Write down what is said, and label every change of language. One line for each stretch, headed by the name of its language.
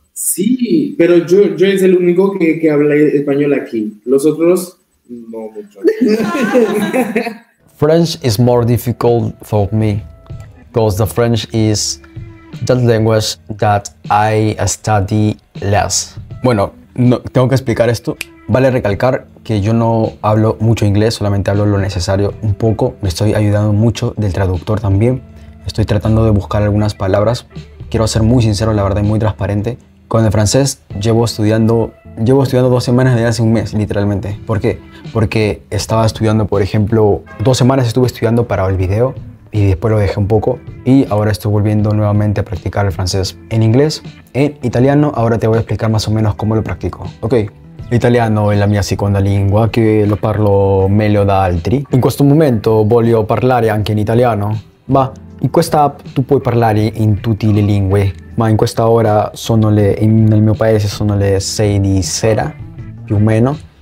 Spanish: Sí, pero yo es el único que habla español aquí. Los otros, no mucho.
English: French is more difficult for me because the French is the language that I study less.
Spanish: Bueno, no, tengo que explicar esto. Vale recalcar que yo no hablo mucho inglés, solamente hablo lo necesario un poco. Me estoy ayudando mucho del traductor también. Estoy tratando de buscar algunas palabras. Quiero ser muy sincero, la verdad, y muy transparente. Con el francés llevo estudiando 2 semanas desde hace un mes, literalmente. ¿Por qué? Porque estaba estudiando, por ejemplo, 2 semanas estuve estudiando para el video y después lo dejé un poco y ahora estoy volviendo nuevamente a practicar el francés. En inglés, en italiano, ahora te voy a explicar más o menos cómo lo practico.
Italian: Ok, italiano es la mia seconda lingua que lo parlo meglio da altri. En questo momento voglio parlare anche in italiano. Va, in questa app tu puoi parlare in tutte le lingue. Ma in questa ora sono le, nel mio paese sono le 6 di sera, più o meno.